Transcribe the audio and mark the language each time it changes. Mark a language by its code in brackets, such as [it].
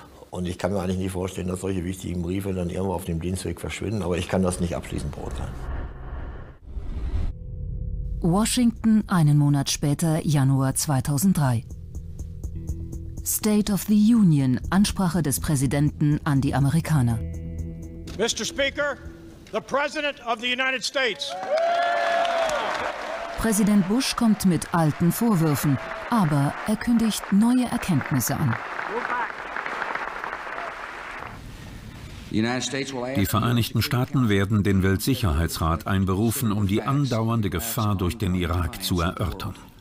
[de] Und ich kann mir eigentlich nicht vorstellen, dass solche wichtigen Briefe dann irgendwo auf dem Dienstweg verschwinden. Aber ich kann das nicht abschließend beurteilen. Washington, einen Monat später, Januar 2003. State of the Union, Ansprache des Präsidenten an die Amerikaner. [en] Mr. Speaker, the President of the United States. [de] Präsident Bush kommt mit alten Vorwürfen, aber er kündigt neue Erkenntnisse an. Die Vereinigten Staaten werden den Weltsicherheitsrat einberufen, um die andauernde Gefahr durch den Irak zu erörtern.